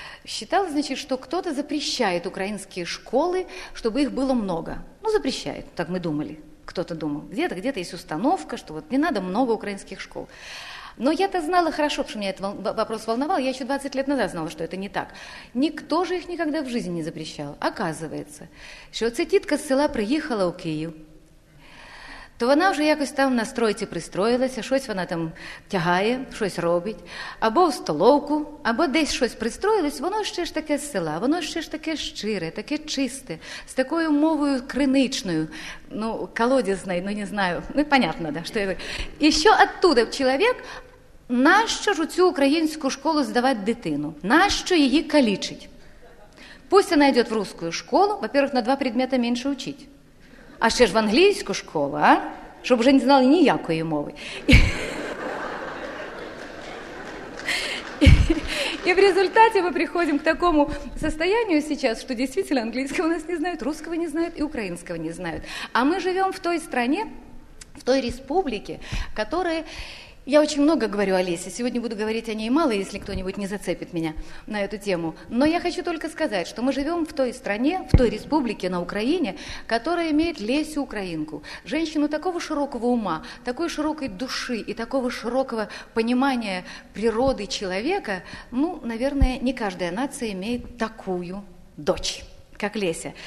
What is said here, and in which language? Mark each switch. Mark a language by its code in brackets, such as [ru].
[ru] Считалось, значит, что кто-то запрещает украинские школы, чтобы их было много. Запрещает, так мы думали, кто-то думал. Где-то есть установка, что вот не надо много украинских школ. Но я-то знала хорошо, что меня этот вопрос волновал. Я еще 20 лет назад знала, что это не так. Никто же их никогда в жизни не запрещал. [uk] Оказывается, що це тітка з села приїхала у Київ, то вона вже якось там на стройці пристроїлася, щось вона там тягає, щось робить, або в столовку, або десь щось пристроїлось, воно ще ж таке з села, воно ще ж таке щире, таке чисте, з такою мовою криничною, колодязною, [ru] понятно, да, [uk] що я... І що оттуда чоловік, нащо ж у цю українську школу здавати дитину? Нащо її калічить? Пусть вона йде в русську школу, во-первых, на 2 предмети менше учить. А ще ж в англійську школу, а? Щоб вже не знали ніякої мови. І в результаті ми приходимо [ru] к такому состоянию сейчас, [uk] що [ru] действительно [uk] англійського нас не знають, русского не знають і українського не знають. А ми живемо в той стране, в той республіці, которая... [ru] Я очень много говорю о Лесе, сегодня буду говорить о ней мало, если кто-нибудь не зацепит меня на эту тему. Но я хочу только сказать, что мы живем в той стране, в той республике на Украине, которая имеет Лесю Украинку. Женщину такого широкого ума, такой широкой души и такого широкого понимания природы человека, наверное, не каждая нация имеет такую дочь. Как Леся.